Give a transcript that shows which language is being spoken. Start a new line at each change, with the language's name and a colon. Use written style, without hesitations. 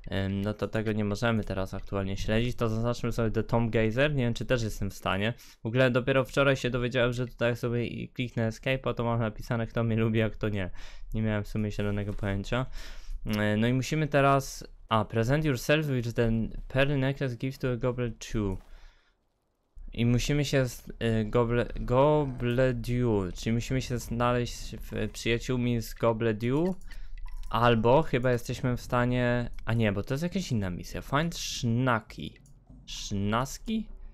Polish: No to tego nie możemy teraz aktualnie śledzić, to zaznaczmy sobie The Tomb Gazer, nie wiem czy też jestem w stanie. W ogóle dopiero wczoraj się dowiedziałem, że tutaj sobie kliknę Escape, a to mam napisane kto mnie lubi, a kto nie. Nie miałem w sumie zielonego pojęcia. No i musimy teraz...
English: A, present yourself with the pearl necklace gift to a goblet 2.
Polish: I musimy się z Gobledew, czyli musimy się znaleźć w przyjaciółmi z Gobledew, albo chyba jesteśmy w stanie. A nie, bo to jest jakaś inna misja. Find Sznaki. Sznaski?